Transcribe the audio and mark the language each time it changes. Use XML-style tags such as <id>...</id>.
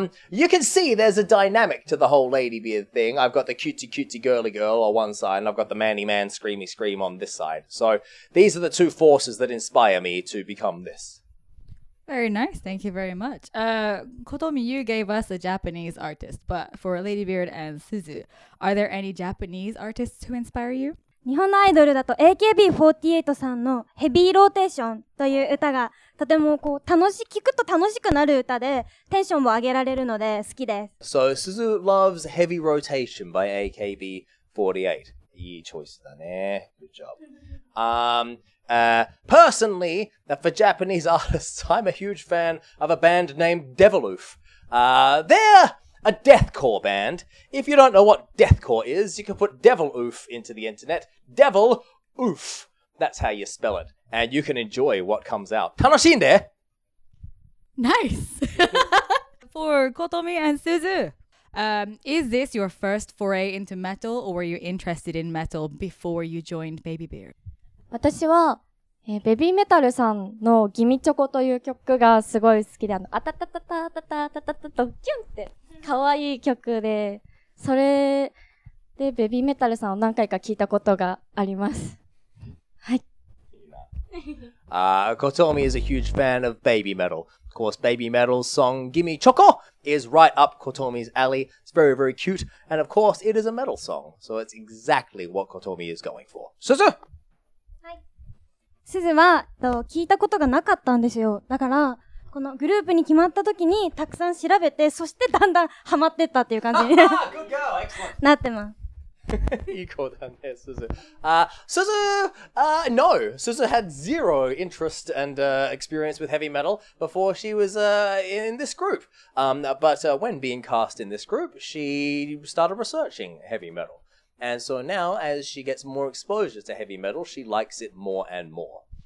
<en>You can see there's a dynamic to the whole Ladybeard thing. I've got the cutie-cutie girly girl on one side, and I've got the manny-man screamy scream on this side. So these are the two forces that inspire me to become this. Very nice. Thank you very much. Kotomi, you gave us a Japanese artist, but for Ladybeard and Suzu, are there any Japanese artists who inspire you?</en> <ja>日本のアイドルだと AKB48 さんのヘビーローテーションという歌がとてもこう楽し聞くと楽しくなる歌でテンションも上げられるので好きです。</ja> <en>So Suzu loves Heavy Rotation by AKB48.</en> <ja>いいチョイスだね。</ja> <en>Good job. Personally, for Japanese artists, I'm a huge fan of a band named Devilouf. They're a deathcore band. If you don't know what deathcore is, you can put Devilouf into the internet. Devil oof. That's how you spell it. And you can enjoy what comes out.</en> <ja>楽しんで!</ja> <en>Nice! For Kotomi and Suzu, is this your first foray into metal, or were you interested in metal before you joined Baby Beard?</en> <ja>私は、ベビーメタルさんのギミチョコという曲がすごい好きで、あたたたたたたたたたとキュンって可愛い曲で、それでベビーメタルさんを何回か聞いたことがあります。はい。</ja> <en>Kotomi is a huge fan of Baby Metal. Of course, Baby Metal's song Gimme Choco is right up Kotomi's alley. It's very, very cute. And of course, it is a metal song. So it's exactly what Kotomi is going for. Suzu!</en> <ja>すずは、聞いたことがなかったんですよ。だから、このグループに決まった時に、たくさん調べて、そしてだんだんハマってったっていう感じになってます。いい子だね、すず。すず、</ja> <en>no! すず had zero interest and experience with heavy metal before she was in this group. But when being cast in this group, she started researching heavy metal. And so now, as she gets more exposure to heavy metal, she likes it more and more.</en>